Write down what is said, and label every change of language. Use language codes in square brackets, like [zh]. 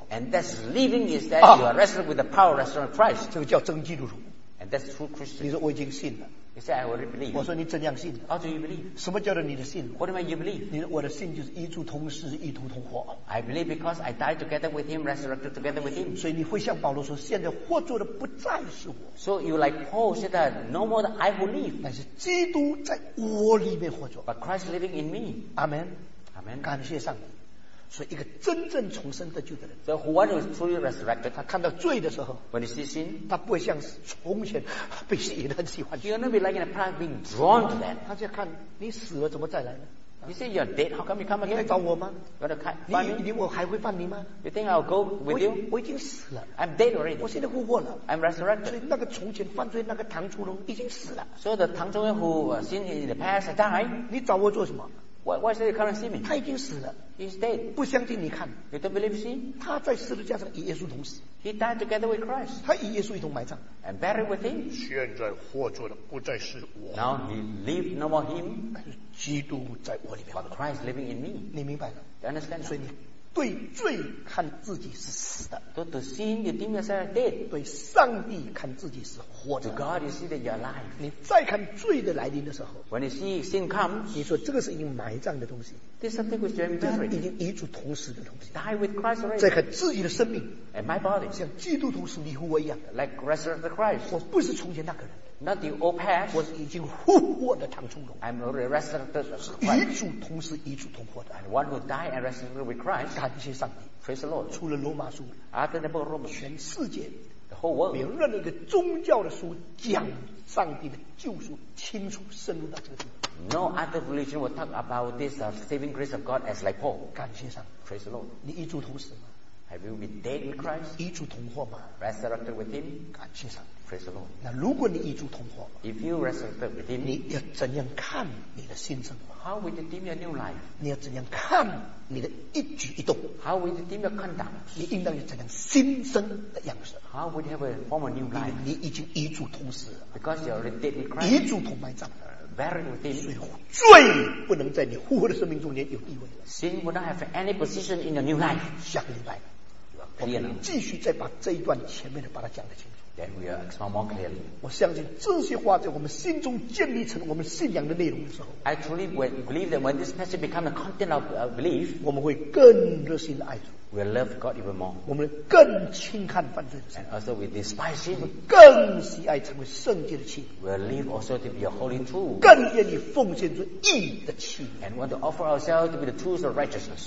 [en] And that's living is that you are rested with the power resurrected Christ. [zh] 这个叫真基督徒。 [en] And that's true Christian. [zh] 你说我已经信了。 [en] You say I already believe. [zh] 我说你怎样信的 [en] ？How do you believe? [zh] 什么叫做你的信 [en] ？What do you believe? [zh] 你我的信就是与主同死，与主同活。 [en] I believe because I died together with him, resurrected together with him. [zh] 所以你会像保罗说，现在活着的不再是我。 [en] So you like Paul said that no more that I who live. [zh] 但是基督在我里面活着。 [en] But Christ living in me. Amen. Amen. [zh] 感谢上帝。所以一个真正重生得救的人 [en] ，So one who is truly resurrected， [zh] 他看到罪的时候 [en] ，When he sees sin， [zh] 他不会像从前被吸引很喜欢。 [en] He will not be like in the past being drawn to that。 [zh] 他就看你死了怎么再来呢 [en] ？You say you're dead， how come you come again？ [zh] 你来找我吗 [en] ？You want to come？ [zh] 你我还会犯你吗 [en] ？You think I'll go with you？ [zh] 我已经死了 [en] ，I'm dead already。 [zh] 我现在复活了 [en] ，I'm resurrected。 [zh] 所以那个从前犯罪那个唐初龙已经死了。 [en] So the 唐初龙 who sin in the past died。 [zh] 你找我做什么？ [en] Why should you come and see me? [zh] 他已经死了 [en] He's dead. [zh] 不相信你看 [en] You don't believe see? [zh] 他在十字架上与耶稣同死 [en] He died together with Christ. [zh] 他与耶稣一同埋葬 [en] And buried with him. [zh] 现在活着的不再是我 [en] Now he lives no more him. [zh] 基督在我里面 [en] But Christ living in me. [zh] 你明白了 [en] You understand? [zh] 所以你对罪看自己是死的 [en] To the sin you deem yourself dead. [zh] 对上帝看自己是活着 [en] To God you see that you're alive. [zh] 你再看罪的来临的时候 [en] When you see sin comes. [zh] 你说这个是已经埋葬的东西 [en] This is something which you have buried. [zh] 已经与主同死的东西 [en] Die with Christ already. [zh] 再看自己的生命 [en] And my body. [zh] 像基督同死你和我一样 [en] Like resurrected Christ. [zh] 我不是从前那个人 [en] Not the old past. [zh] 我已经复活的唐初龙。 [en] I'm already resurrected. [zh] 与主同时，与主同活的。 [en] And one who died and resurrected with Christ. [zh] 感谢上帝。 [en] Praise the Lord. [zh] 除了罗马书 [en] ，After the book of Romans, [zh] 全世界 [en] ，the whole world， [zh] 没有任何一个宗教的书讲上帝的救赎清楚深入到这个地方。 [en] No other religion will talk about this saving grace of God as like Paul. [zh] 感谢上帝。 [en] Praise the Lord. [zh] 你与主同时吗 [en] ？Have you been dead with Christ? [zh] 与主同活吗 [en] ？Resurrected with Him. [zh] 感谢上帝。 [en] Praise the Lord. [zh] 那如果你与主同活 [en] ，If you resurrected with Him， [zh] 你要怎样看你的新生活 [en] ？How will you deem your new life？ [zh] 你要怎样看你的一举一动 [en] ？How will you deem your conduct？ [zh] 你应当有怎样新生的样式 [en] ？How will you have a form of new life？ [zh] 你已经与主同死 [en] ，Because you already dead with Christ， [zh] 与主同埋葬。 [en] Buried with Him， [zh] 所以罪不能在你复活的生命中间有地位了。 [en] Sin will not have any position in your new life。 [zh] 想明白，我们继续再把这一段前面的把它讲得清楚。 [en] Then we are explore more clearly. [zh] 我相信这些话在我们心中建立成我们信仰的内容的时候 [en] I truly believe that when this passage becomes the content of belief, [zh] 我们会更热心的爱主 [en] We will love God even more. [zh] 我们更轻看犯罪的事 [en] And also we despise sin. [zh] 我们更喜爱成为圣洁的器 [en] We will live also to be a holy tool. [zh] 更愿意奉献出义的器 [en] And want to offer ourselves to be the tools of righteousness.